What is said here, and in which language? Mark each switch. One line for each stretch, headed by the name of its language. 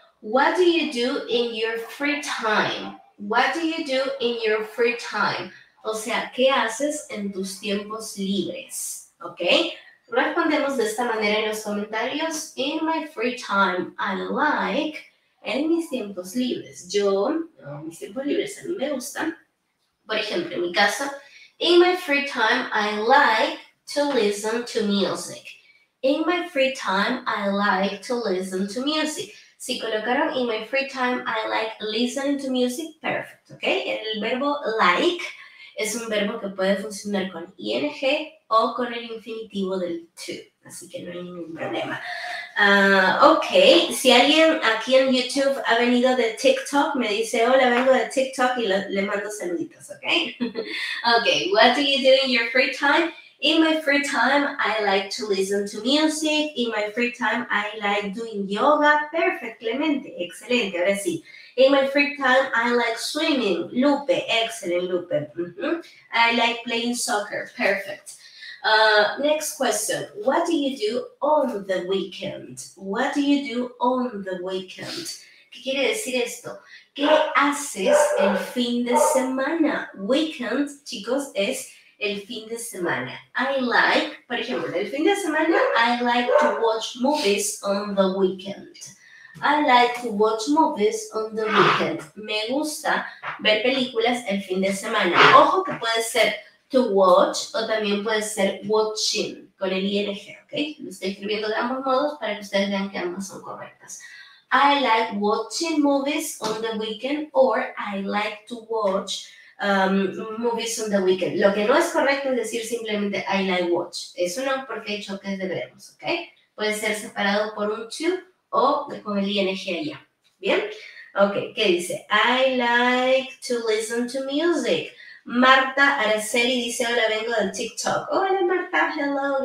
English: What do you do in your free time? What do you do in your free time?
Spanish: O sea, ¿qué haces en tus tiempos libres? Ok. Respondemos de esta manera en los comentarios.
English: In my free time, I like.
Spanish: En mis tiempos libres. Mis tiempos libres a mí me gustan. Por ejemplo, en mi caso,
English: in my free time, I like to listen to music. In my free time, I like to listen to music.
Spanish: Si colocaron
English: in my free time, I like listening to music, perfect, ¿ok?
Spanish: El verbo like es un verbo que puede funcionar con ing o con el infinitivo del to, así que no hay ningún problema. Ok, si alguien aquí en YouTube ha venido de TikTok, me dice, hola, vengo de TikTok y le mando saluditos, ¿ok?
English: Ok, what do you do in your free time? In my free time, I like to listen to music. In my free time, I like doing yoga. Perfect, Clemente,
Spanish: excelente, ahora sí.
English: In my free time, I like swimming. Lupe, excelente, Lupe. Mm-hmm. I like playing soccer. Perfect. Next question. What do you do on the weekend? What do you do on the weekend?
Spanish: ¿Qué quiere decir esto? ¿Qué haces el fin de semana? Weekend, chicos, es el fin de semana.
English: I like,
Spanish: por ejemplo, el fin de semana,
English: I like to watch movies on the weekend. I like to watch movies on the weekend.
Spanish: Me gusta ver películas el fin de semana. Ojo que puede ser to watch, o también puede ser watching, con el ING, ¿ok? Lo estoy escribiendo de ambos modos para que ustedes vean que ambas son correctas.
English: I like watching movies on the weekend, or I like to watch movies on the weekend.
Spanish: Lo que no es correcto es decir simplemente
English: I like watch.
Spanish: Eso no, porque hay choques de verbos, ¿ok? Puede ser separado por un to o con el ING allá, ¿bien?
English: Ok,
Spanish: ¿qué dice?
English: I like to listen to music.
Spanish: Marta Araceli dice, hola, vengo del TikTok. Hola, Marta, hello.